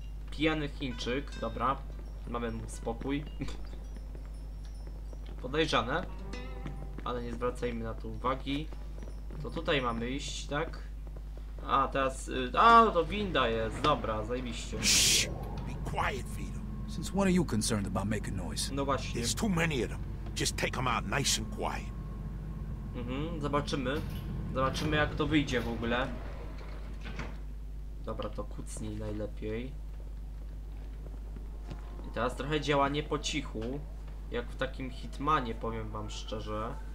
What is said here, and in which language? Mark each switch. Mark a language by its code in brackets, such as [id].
[pl] Pijany Chińczyk, dobra. Mamy mu spokój. Podejrzane. Ale nie zwracajmy na to uwagi. To tutaj mamy iść, tak? A teraz. A to winda jest, dobra, zajebiście. [en] Be quiet, Vito. Since when are you concerned about making noise? [pl] No właśnie. [en] There's too many of them. Just take them out nice and quiet. [pl] Zobaczymy. Zobaczymy, jak to wyjdzie w ogóle. Dobra, to kucnij najlepiej. I teraz trochę działanie po cichu. Jak w takim Hitmanie, powiem wam szczerze.